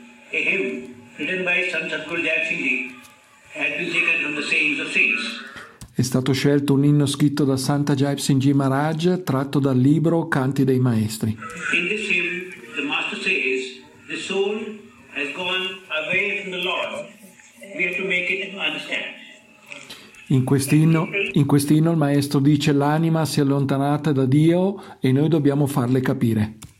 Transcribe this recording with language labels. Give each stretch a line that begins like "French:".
English: A hymn written by Sant Satguru Jai Singh Ji has been taken from the sayings of saints.
Italian: È stato scelto un inno scritto da Santa Jai Singh Ji Maharaj, tratto dal libro Canti dei Maestri.
English: In this hymn, the master says, the soul has gone away from the Lord. We have to make it understand.
Italian: In quest'inno il maestro dice l'anima si è allontanata da Dio e noi dobbiamo farle capire.